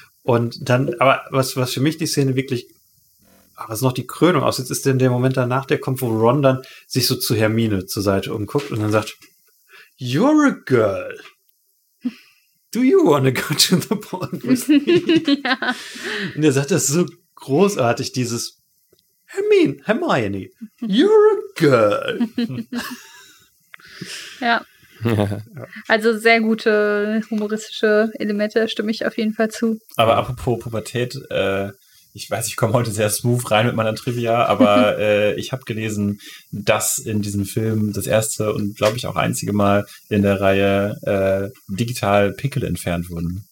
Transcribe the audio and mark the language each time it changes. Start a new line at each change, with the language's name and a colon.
German: Und dann, aber was für mich die Szene wirklich, was noch die Krönung aussieht, ist denn der Moment danach, der kommt, wo Ron dann sich so zu Hermine zur Seite umguckt und dann sagt,
English: you're a girl. Do you want to go to the porn with me?
German: Ja. Und er sagt, das ist so großartig, dieses Hermione,
English: you're a girl.
German: Ja. Also sehr gute humoristische Elemente, stimme ich auf jeden Fall zu. Aber apropos Pubertät, ich weiß, ich komme heute sehr smooth rein mit meiner Trivia, aber ich habe gelesen, dass in diesem Film das erste und glaube ich auch einzige Mal in der Reihe digital Pickel entfernt wurden.